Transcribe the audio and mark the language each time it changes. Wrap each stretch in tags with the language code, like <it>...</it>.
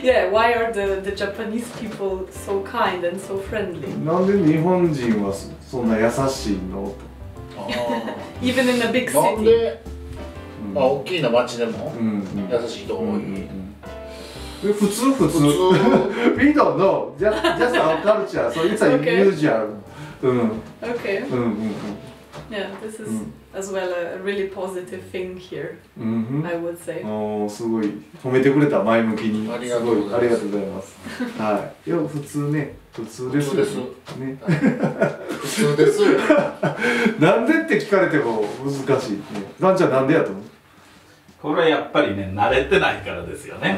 <en>Yeah, why are the Japanese people so kind and so friendly?</en> <ja>なんで日本人はそんな優しいの？</ja> <en>Even in a big city?</en> <ja>なんで、まあ、大きな町でも優しい人多い。普通</ja> <en>We don't know. Just our culture. So it's a okay. usual. Okay. Yeah, this is as well a really positive thing here. I would say.</en> <ja>Oh, すごい。褒めてくれた、前向きに。ありがとうございます。ありがとうございます。はい。いや、普通ね。普通です。普通です。ね。普通です。なんでって聞かれても難しい。ダンちゃん、なんでやと思う？これはやっぱりね、慣れてないからですよね。</ja>